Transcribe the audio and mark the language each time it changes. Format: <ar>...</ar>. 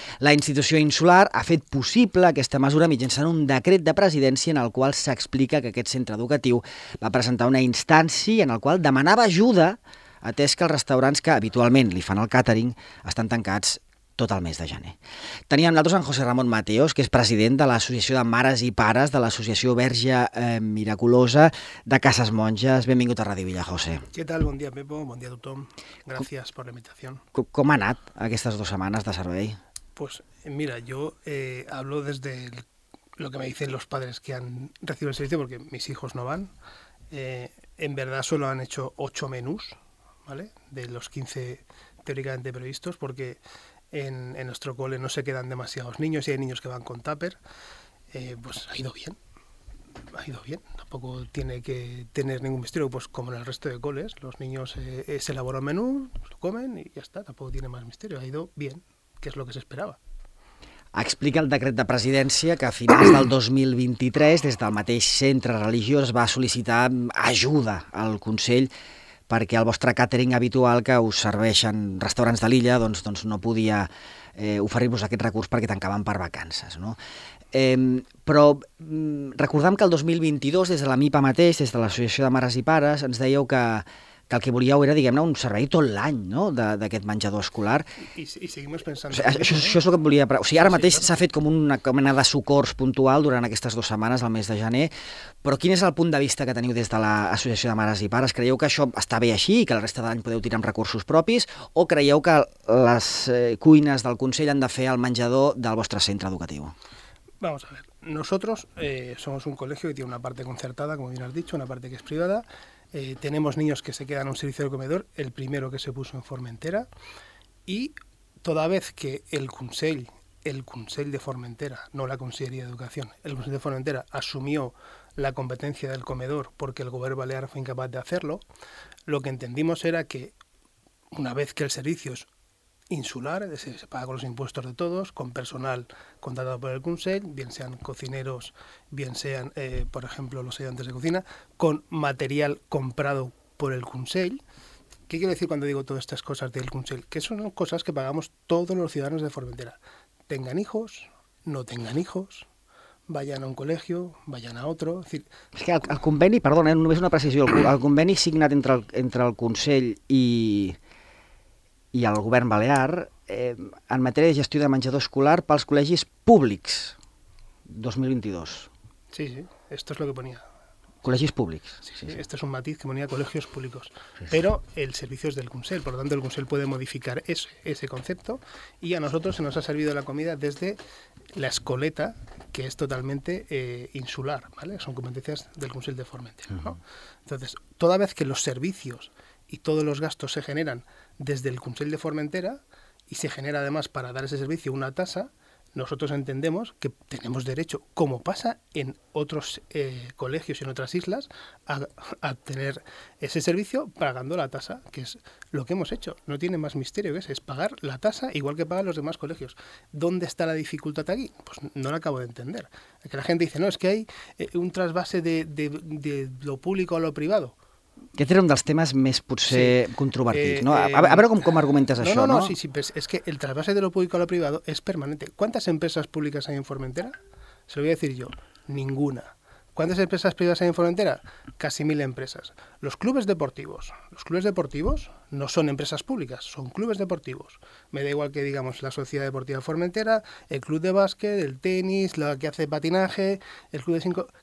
<ca>La institució insular ha fet possible aquesta mesura mitjançant un decret de presidència en el qual s'explica que aquest centre educatiu va presentar una instància en el qual demanava ajuda atès que els restaurants que habitualment li fan el càtering estan tancats tot el mes de gener. Teníem nosaltres en José Ramón Mateos, que és president de l'Associació de Mares i Pares de l'Associació Verge Miraculosa de Cases Monges. Benvingut a Ràdio Villa, José. Què tal? Bon dia, Pepo. Bon dia a tothom. Gràcies per la invitació. Com ha anat aquestes dues setmanes de servei?</ca> <es>Pues mira, jo hablo des de lo que me dicen los padres que han recibido el servicio, porque mis hijos no van. En verdad solo han hecho 8 menús, ¿vale? De los 15 teóricamente previstos, porque en nuestro cole no se quedan demasiados niños y hay niños que van con tupper, pues ha ido bien, ha ido bien. Tampoco tiene que tener ningún misterio, pues como en el resto de coles, los niños se elaboran menú, lo comen y ya está, tampoco tiene más misterio. Ha ido bien, que es lo que se esperaba.</es> <ca>Explica el decret de presidència que a finals del 2023, des del mateix centre religiós, es va sol·licitar ajuda al Consell perquè el vostre càtering habitual que us serveixen restaurants de l'illa doncs no podia oferir-vos aquest recurs perquè tancaven per vacances. No? Però recordem que el 2022, des de la MIPA mateix, des de l'Associació de Mares i Pares, ens dèieu que el que volíeu era, diguem-ne, un servei tot l'any, no?, d'aquest menjador escolar. I seguim pensant... Això és el que et volia... O sigui, ara mateix s'ha fet com una mena de socors puntual durant aquestes dues setmanes, al mes de gener, però quin és el punt de vista que teniu des de l'Associació de Mares i Pares? Creieu que això està bé així i que la resta d'any podeu tirar amb recursos propis o creieu que les cuines del Consell han de fer el menjador del vostre centre educatiu?</ca> <es>Vamos a ver. Nosotros somos un colegio que tiene una parte concertada, como bien has dicho, una parte que es privada. Tenemos niños que se quedan en un servicio del comedor, el primero que se puso en Formentera, y toda vez que el Consell de Formentera, no la Consellería de Educación, el Consell de Formentera asumió la competencia del comedor porque el gobierno balear fue incapaz de hacerlo, lo que entendimos era que una vez que el servicio es insular, se paga con los impuestos de todos, con personal contratado por el Consell, bien sean cocineros, bien sean, por ejemplo, los ayudantes de cocina, con material comprado por el Consell. ¿Qué quiero decir cuando digo todas estas cosas del Consell? Que son cosas que pagamos todos los ciudadanos de Formentera. Tengan hijos, no tengan hijos, vayan a un colegio, vayan a otro. Es decir, es que</es> <ca>el conveni, perdona, només una precisió, el conveni signat entre el Consell i el govern balear, en matèria de gestió de menjador escolar pels col·legis públics, 2022.</ca> <es>Sí, sí, esto es lo que ponía.</es> <ca>Col·legis públics.</ca> <es>Sí, sí, sí, este es un matiz que ponía colegios públicos. Sí, pero sí, el servicio es del Consell, por lo tanto el Consell puede modificar ese concepto y a nosotros se nos ha servido la comida desde la escoleta, que es totalmente insular, ¿vale? Son competencias del Consell de Formentera, ¿no? Entonces, toda vez que los servicios y todos los gastos se generan desde el Consell de Formentera y se genera además para dar ese servicio una tasa, nosotros entendemos que tenemos derecho, como pasa en otros colegios y en otras islas, a tener ese servicio pagando la tasa, que es lo que hemos hecho. No tiene más misterio que ese, es pagar la tasa igual que pagan los demás colegios. ¿Dónde está la dificultad aquí? Pues no la acabo de entender. Que la gente dice, no, es que hay un trasvase de lo público a lo privado.</es> <ca>Aquest era un dels temes més, potser, sí, controvertits. No? A veure com argumentes això. No,</ca> <es>sí, sí,</es> <ca>és que</ca> <es>el trasvase de lo público a lo privado</es> <ca>és permanent.</ca> <es>¿Cuántas empresas públicas hay en Formentera? Se lo voy a decir yo, ninguna. ¿Cuántas empresas privadas hay en Formentera? Casi 1000 empresas. Los clubes deportivos no son empresas públicas, son clubes deportivos. Me da igual que digamos la Sociedad Deportiva Formentera, el club de básquet, el tenis, la que hace patinaje, el club de cinco...</es>